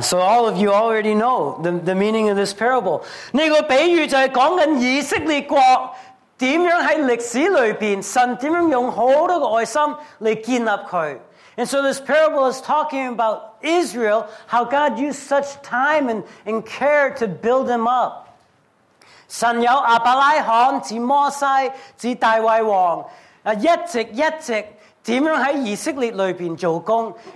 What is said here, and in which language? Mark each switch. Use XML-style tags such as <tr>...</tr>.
<en>So all of you already know the meaning of this parable.</en> <zh>那个比喻就是讲以色列国,怎样在历史里面,神怎样用很多的爱心来建立他。</zh> <en>And so this parable is talking about Israel, how God used such time and care to build them up.</en> <zh>神有亚伯拉罕,指摩西,指大卫王,一直,怎样在以色列里面做工?</zh>